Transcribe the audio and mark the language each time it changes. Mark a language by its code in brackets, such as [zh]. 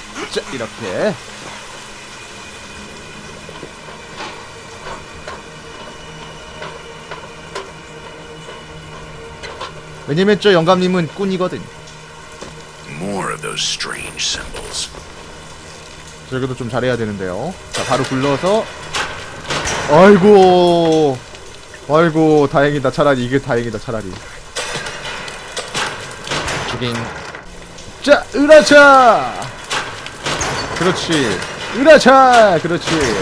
[ko] 자, 이렇게. 왜냐면 저 영감님은 꾼이거든. [en] More of those strange symbols. [ko] 저기도 좀 잘해야 되는데요. 자, 바로 굴러서. 아이고. 아이고, 다행이다. 차라리 이게 다행이다. 차라리. 죽인. 자, 으라차. 그렇지. 으라차. 그렇지.